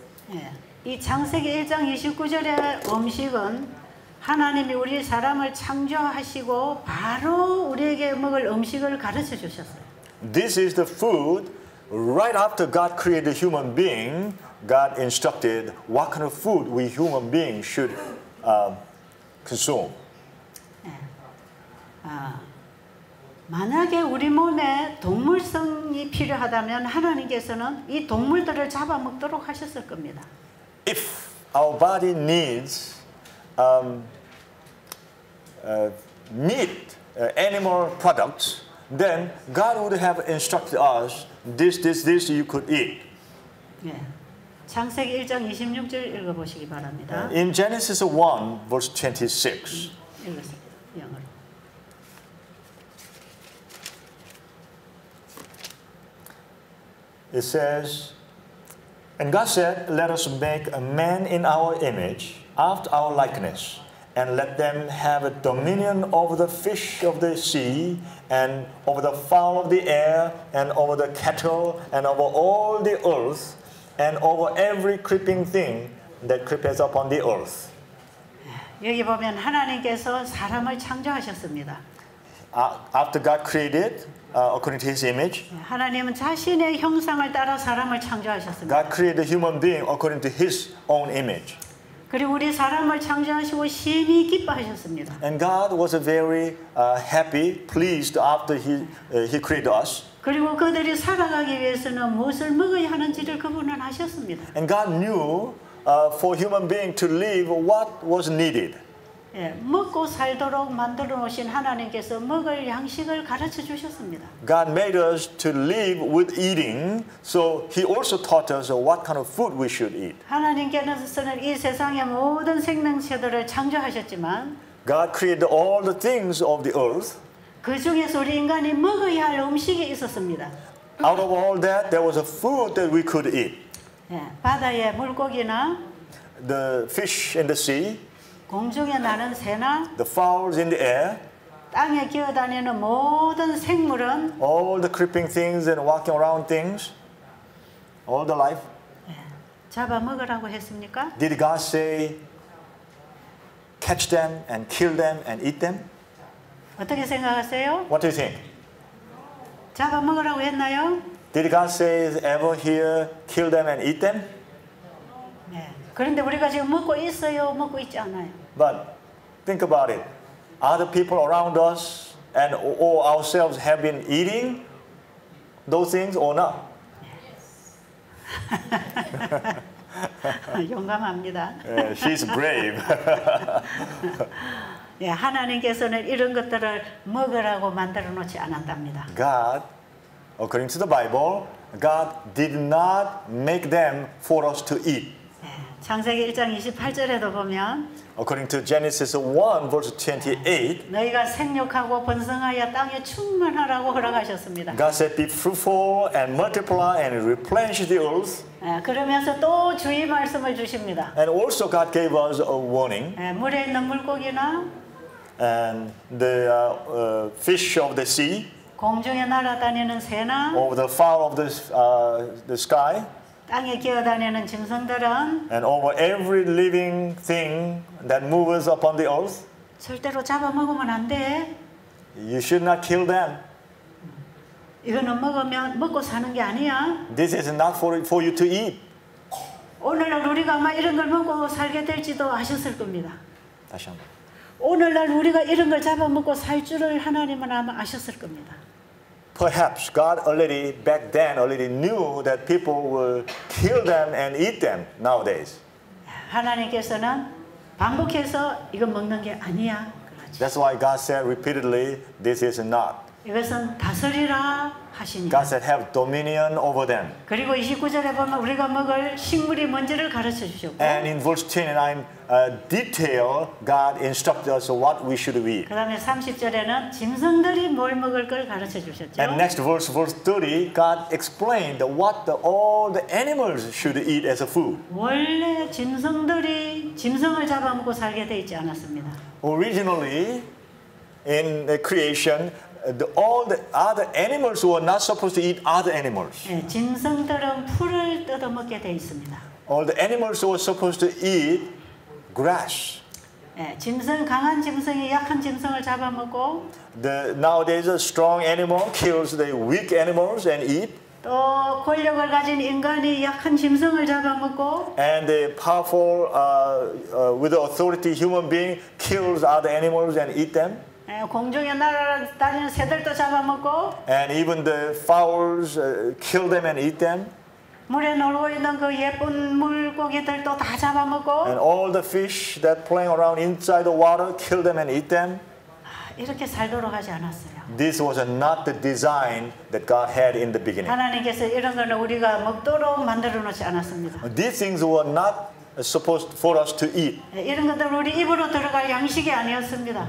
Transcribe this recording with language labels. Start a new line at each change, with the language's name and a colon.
Korean: 예, 이 창세기 1장 29절의 음식은 하나님이 우리 사람을 창조하시고 바로 우리에게 먹을 음식을 가르쳐 주셨어요.
English: This is the food right after God created human being. God instructed what kind of food we human beings should consume.
Korean: 예. 만약에 우리 몸에 동물성이 필요하다면 하나님께서는 이 동물들을 잡아먹도록 하셨을 겁니다.
English: If our body needs meat, animal products, then God would have instructed us this you could eat.
Korean: 예. 창세기 1장 26절 읽어 보시기 바랍니다.
English: In Genesis 1 verse 26.
Korean: 읽으세요. 영어로.
English: It says, And God said, Let us make a man in our image, after our likeness, and let them have a dominion over the fish of the sea and over the fowl of the air and over the cattle and over all the earth and over every creeping thing that creepeth upon the earth.
Korean: 여기 보면 하나님께서 사람을 창조하셨습니다.
English: After God created according to His image,
Korean: 하나님은 자신의 형상을 따라 사람을 창조하셨습니다.
English: God created a human being according to His own image.
Korean: 그리고 우리 사람을 창조하시고 심히 기뻐하셨습니다.
English: And God was a very happy, pleased after He created us.
Korean: 그리고 그들이 살아가기 위해서는 무엇을 먹어야 하는지를 그분은 아셨습니다.
English: And God knew for human being to live what was needed.
Korean: 예, 먹고 살도록 만들어 놓으신 하나님께서 먹을 양식을 가르쳐 주셨습니다.
English: God made us to live with eating, so He also taught us what kind of food we should eat.
Korean: 하나님께서는 이 세상의 모든 생명체들을 창조하셨지만,
English: God created all the things of the earth.
Korean: 그 중에서 우리 인간이 먹어야 할 음식이 있었습니다.
English: Out of all that, there was a food that we could eat.
Korean: 예, 바다의 물고기나,
English: the fish in the sea.
Korean: 공중에 나는 새나,
English: the fowls in the air,
Korean: 땅에 기어다니는 모든 생물은,
English: all the creeping things and walking around things, all the life,
Korean: 잡아 먹으라고 했습니까?
English: Did God say, catch them and kill them and eat them?
Korean: 어떻게 생각하세요?
English: What do you think?
Korean: 잡아 먹으라고 했나요?
English: Did God say ever here, kill them and eat them?
Korean: 그런데 우리가 지금 먹고 있어요, 먹고 있지 않아요.
English: But think about it. Are the people around us and or ourselves have been eating those things or not?
Korean: Yes. 용감합니다.
English: She's brave.
Korean: 예, 하나님께서는 이런 것들을 먹으라고 만들어 놓지 않았답니다.
English: God, according to the Bible, God did not make them for us to eat.
Korean: 창세기 1장 28절에도 보면
English: according to Genesis 1 verse 28
Korean: 너희가 생육하고 번성하여 땅에 충만하라고 허락하셨습니다.
English: God said be fruitful and multiply and replenish the earth.
Korean: 그러면서 또 주의 말씀을 주십니다.
English: And also God gave us a warning.
Korean: 물에 있는 물고기나
English: and the fish of the sea
Korean: 공중에 날아다니는 새나
English: or the fowl of the sky
Korean: 땅에 기어다니는 짐승들은
English: and over every living thing that moves upon the earth
Korean: 절대로 잡아먹으면 안 돼.
English: You should not kill them.
Korean: 이거는 먹으면 먹고 사는 게 아니야.
English: This is not for you to eat.
Korean: 오늘날 우리가 아마 이런 걸 먹고 살게 될지도 아셨을 겁니다. 다시 한 번. 오늘날 우리가 이런 걸 잡아먹고 살 줄을 하나님은 아마 아셨을 겁니다.
English: Perhaps God already back then already knew that people will kill them and eat them nowadays.
Korean: 하나님께서는 반복해서 이건 먹는 게 아니야.
English: That's why God said repeatedly, "This is not."
Korean: 이것은 다스리라 하시니.
English: God said, "Have dominion over them."
Korean: 그리고 29절에 보면 우리가 먹을 식물이 뭔지를 가르쳐 주셨고.
English: And in verse 29, detail God instructed us what we should eat.
Korean: 그다음에 30절에는 짐승들이 뭘 먹을 걸 가르쳐 주셨죠.
English: And next verse, verse 30, God explained what all the animals should eat as a food.
Korean: 원래 짐승들이 짐승을 잡아먹고 살게 돼 있지 않았습니다.
English: Originally, in the creation. All the other animals were not supposed to eat other animals.
Korean: 예, 짐승들은 풀을 뜯어 먹게 돼 있습니다.
English: All the animals were supposed to eat grass.
Korean: 예, 짐승 강한 짐승이 약한 짐승을 잡아 먹고.
English: The nowadays a strong animal kills the weak animals and eat.
Korean: 또 권력을 가진 인간이 약한 짐승을 잡아 먹고.
English: And the powerful with authority human being kills other animals and eat them.
Korean: 공중에 날아다니는 새들도 잡아먹고
English: and even the fowls kill them and eat them
Korean: 물에 놀고 있는 그 예쁜 물고기들도 다 잡아먹고
English: and all the fish that playing around inside the water kill them and eat them
Korean: 이렇게 살도록 하지 않았어요.
English: This was not the design that God had in the beginning.
Korean: 하나님께서 이런 걸 우리가 먹도록 만들어 놓지 않았습니다.
English: These things were not supposed for us to eat.
Korean: 이런 것들 우리 입으로 들어갈 양식이 아니었습니다.